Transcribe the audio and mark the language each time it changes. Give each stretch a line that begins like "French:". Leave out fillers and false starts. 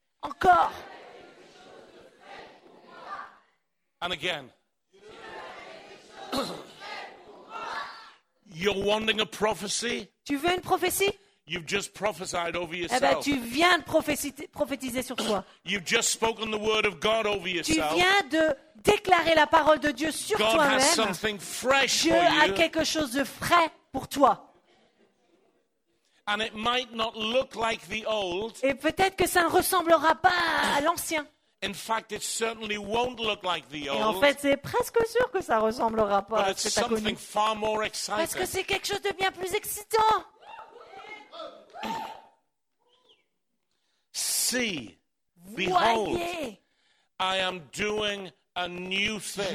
French: Encore.
English: And again. You're wanting a prophecy?
French: Tu veux une prophétie?
English: You've just prophesied over yourself.
French: Eh ben, tu viens de prophétiser sur toi.
English: You've just spoken the word of God over yourself.
French: Tu viens de déclarer la parole de Dieu sur
English: God
French: toi-même.
English: Has something fresh
French: Dieu
English: for a you.
French: Quelque chose de frais pour toi.
English: And it might not look like the old.
French: Et peut-être que ça ne ressemblera pas à l'ancien.
English: In fact, it certainly won't look like the old.
French: Et en fait, c'est presque sûr que ça ne ressemblera pas à ce que tu as connu.
English: Far more exciting.
French: Parce que c'est quelque chose de bien plus excitant.
English: See, behold, I am doing a new thing.